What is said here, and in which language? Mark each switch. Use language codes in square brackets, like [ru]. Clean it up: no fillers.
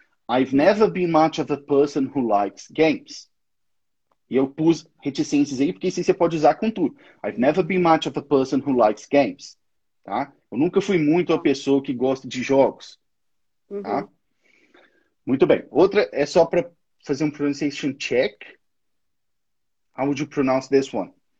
[en] I've never been much of a person who likes games. [pt] E eu pus reticências aí, porque isso aí você pode usar com tudo. [en] I've never been much of a person who likes games. [pt] Tá? Eu nunca fui muito a pessoa que gosta de jogos. Tá? Muito bem. Outra é só para fazer um [en] pronunciation check. How would you pronounce this one?